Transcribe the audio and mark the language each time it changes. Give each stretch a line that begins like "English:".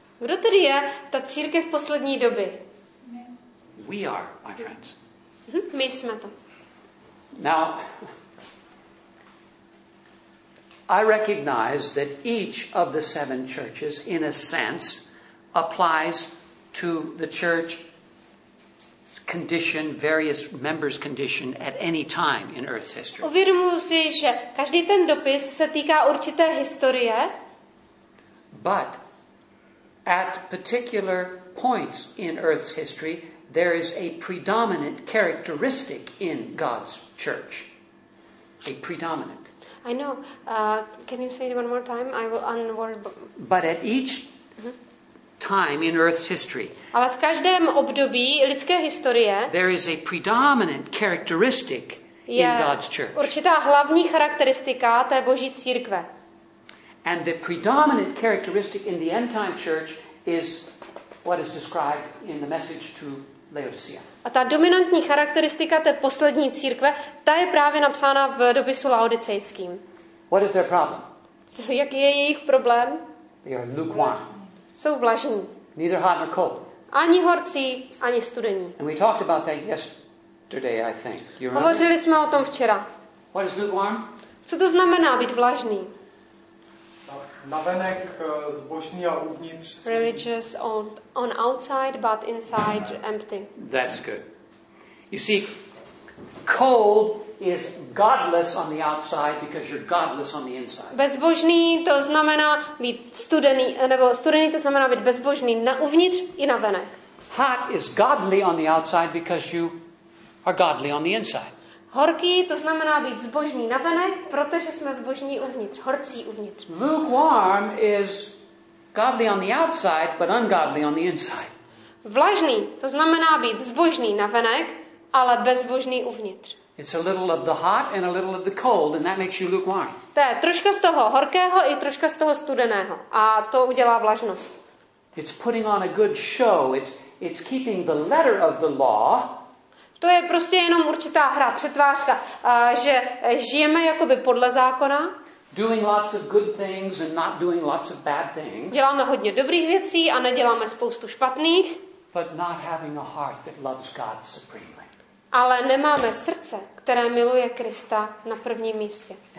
Czech: Kdo tedy je ta církev poslední doby?
English: We are, my friends.
Czech: My jsme to.
English: Now, I recognize that each of the seven churches, in a sense, applies to the church condition, various members' condition at any time in Earth's history.
Czech: Uvědomuji si, že každý ten dopis se týká určité historie.
English: But at particular points in Earth's history, there is a predominant characteristic in God's church. A predominant. I know. Can you say it one more time? I will unword. But at each time in Earth's history.
Czech: Ale v každém období lidské historie.
English: There is a predominant characteristic in God's church.
Czech: Určitá hlavní charakteristika té Boží církve.
English: And the predominant characteristic in the end time church is what is described in the message to Laodicea.
Czech: A ta dominantní charakteristika té poslední církve, ta je právě napsána v dopisu laodicejským.
English: What is their problem?
Czech: Jaký je jejich problém?
English: They are lukewarm.
Czech: Jsou vlažní.
English: Neither hot nor cold.
Czech: Ani horcí, ani studení.
English: And we talked about that yesterday, I think. You remember?
Czech: Hovořili jsme o tom včera.
English: What is lukewarm?
Czech: Co to znamená být vlažný? Navenek zbožný a uvnitř.
English: Religious on outside, but inside empty. That's good. You see, cold is godless on the outside because you're godless on the inside.
Czech: Bezbožný to znamená být studený, nebo studený to znamená být bezbožný na uvnitř i na venek.
English: Hot is godly on the outside because you are godly on the inside.
Czech: Horký to znamená být zbožný na venek, protože jsme zbožní uvnitř, horcí uvnitř.
English: Lukewarm is godly on the outside but ungodly on the inside.
Czech: Vlažný to znamená být zbožný na venek, ale bezbožný uvnitř.
English: It's a little of the hot and a little of the cold, and that makes you lukewarm.
Czech: To je troška z toho horkého i troška z toho studeného, a to udělá vlažnost.
English: It's putting on a good show. It's keeping the letter of the law.
Czech: To je prostě jenom určitá hra, přetvářka, že žijeme jakoby podle zákona.
English: Doing lots of good things and not doing lots of bad things.
Czech: Děláme hodně dobrých věcí a neděláme spoustu špatných.
English: But not having a heart that loves God supremely.
Czech: Ale nemáme srdce, které miluje Krista na prvním místě.